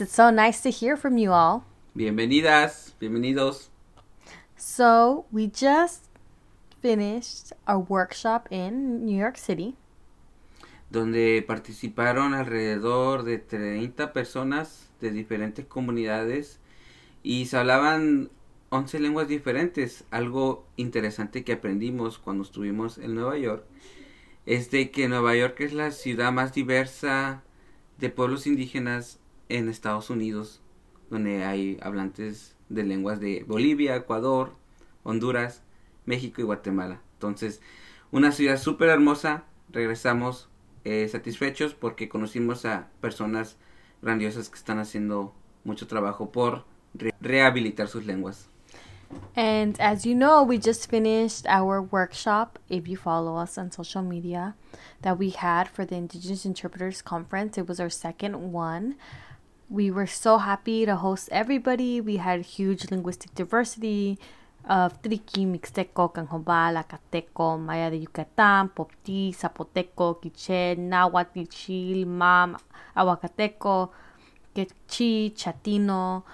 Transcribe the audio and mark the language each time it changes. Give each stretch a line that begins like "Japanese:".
English: It's so nice to hear from you all.
Spanish: Bienvenidas, bienvenidos.
English: So, we just finished our workshop in New York City.
Spanish: Donde participaron alrededor de 30 personas de diferentes comunidades y se hablaban 11 lenguas diferentes. Algo interesante que aprendimos cuando estuvimos en Nueva York es de que Nueva York es la ciudad más diversa de pueblos indígenas en Estados Unidos, donde hay hablantes de lenguas de Bolivia, Ecuador, Honduras, México y Guatemala. Entonces, una ciudad súper hermosa. Regresamos satisfechos porque conocimos a personas grandiosas que están haciendo mucho trabajo por rehabilitar sus lenguas.
English: And as you know, we just finished our workshop, if you follow us on social media, that we had for the Indigenous Interpreters Conference. It was our second one. We were so happy to host everybody. We had huge linguistic diversity of Triqui, Mixteco, Canjobal, Acateco, Maya de Yucatán, Popti, Zapoteco, Quiche, Nahuatl, Chil, Mam, Aguacateco, Quechi, Chatino.